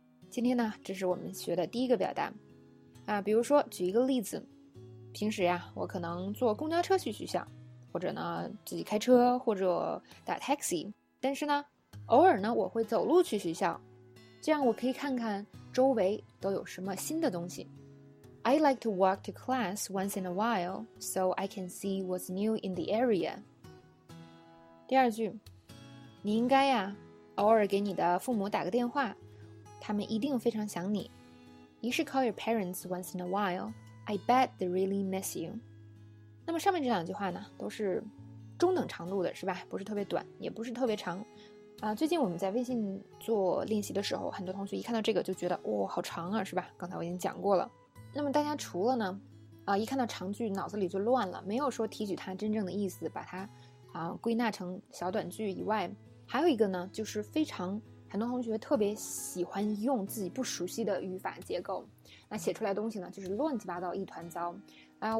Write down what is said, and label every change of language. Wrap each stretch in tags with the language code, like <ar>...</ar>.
<zh>今天呢，这是我们学的第一个表达啊。比如说，举一个例子，平时呀，我可能坐公交车去学校，或者呢自己开车，或者打 taxi。但是呢，偶尔呢，我会走路去学校，这样我可以看看周围都有什么新的东西。</zh> <en>I like to walk to class once in a while, so I can see what's new in the area.</en> <zh>第二句，你应该呀，偶尔给你的父母打个电话，他们一定非常想你。</zh> <en>You should call your parents once in a while. I bet they really miss you.</en> <zh>那么上面这两句话呢，都是中等长度的，是吧？不是特别短，也不是特别长。最近我们在微信做练习的时候，很多同学一看到这个就觉得，哇、哦，好长啊，是吧？刚才我已经讲过了。那么大家除了呢一看到长句脑子里就乱了，没有说提取它真正的意思，把它归纳成小短句以外，还有一个呢，就是非常很多同学特别喜欢用自己不熟悉的语法结构，那写出来东西呢就是乱七八糟一团糟啊。</zh>